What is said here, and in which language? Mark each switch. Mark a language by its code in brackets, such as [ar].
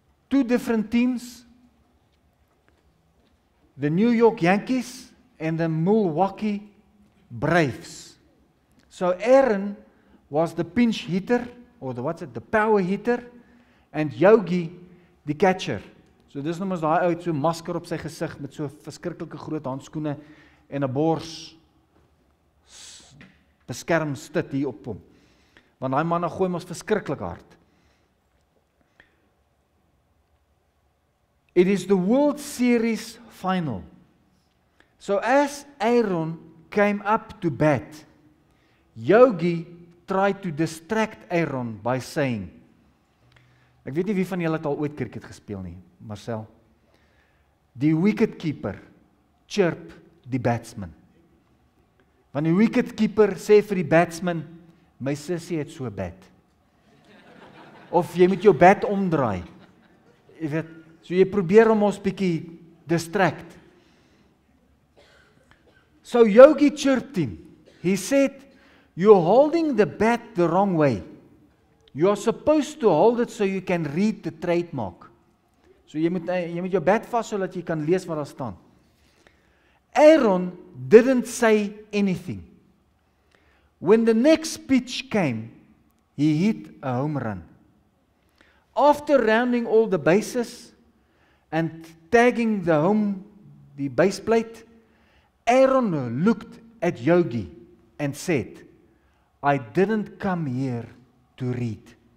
[en] Two different teams, the New York Yankees and the Milwaukee Braves. So Aaron was the pinch hitter, or the, what's it, the power hitter, and Yogi, the catcher. [af] So dis noem ons daai ou so masker op sy gesig met so verskriklike groot handskoene en 'n bors beskermstut hier op hom. Want daai manne gooi mos verskriklik hard. [en] It is the World Series final. So as Aaron came up to bat, Yogi tried to distract Aaron by saying, [af] ek weet nie wie van julle het al ooit cricket gespeel nie, [en] Marcel. [af] Die wicketkeeper chirp die batsman. Want die wicketkeeper sê vir die batsman, my sussie het so bat. Of jy moet jou bat omdraai. Jy weet, so jy probeer om ons bietjie distract. [en] So Yogi chirped him. He said, you're holding the bat the wrong way. You are supposed to hold it so you can read the trademark. [af] So jy moet jou bat vashou sodat jy kan lees wat daar staan. [en] Aaron didn't say anything. When the next pitch came, he hit a home run. After rounding all the bases and tagging the home, the base plate, Aaron looked at Yogi and said, I didn't come here to read.